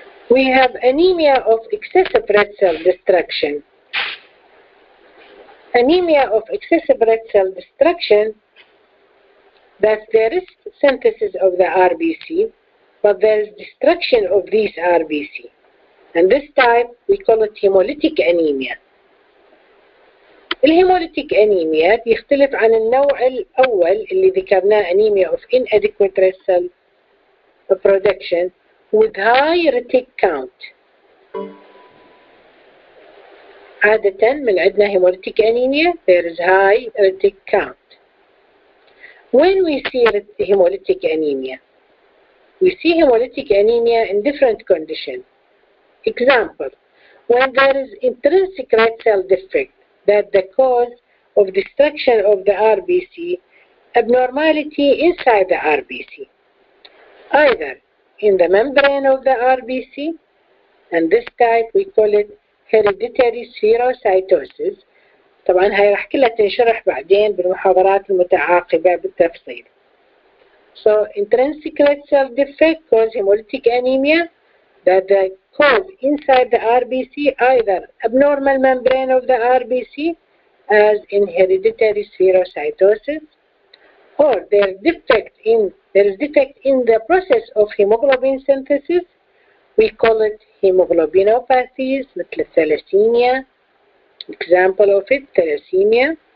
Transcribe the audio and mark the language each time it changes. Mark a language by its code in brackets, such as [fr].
[en] We have anemia of excessive red cell destruction. Anemia of excessive red cell destruction, that there is synthesis of the RBC, but there is destruction of these RBC. And this type, we call it hemolytic anemia. [ar] الهيموليتيك أنيميا يختلف عن النوع الأول اللي ذكرناه أنيميا [en] of inadequate red cell production with high retic count. [ar] عادة من عندنا هيموليتيك أنيميا [en] there is high retic count. When we see hemolytic anemia, we see hemolytic anemia in different conditions. Example, when there is intrinsic red cell defect that the cause of destruction of the RBC, abnormality inside the RBC, either in the membrane of the RBC, and this type we call it hereditary spherocytosis. [ar] طبعا هاي راح كلها تنشرح بعدين بالمحاضرات المتعاقبة بالتفصيل. [en] So intrinsic red cell defect cause hemolytic anemia that the cause inside the RBC either abnormal membrane of the RBC as in hereditary spherocytosis or there is defect in the process of hemoglobin synthesis we call it hemoglobinopathies like thalassemia example of it thalassemia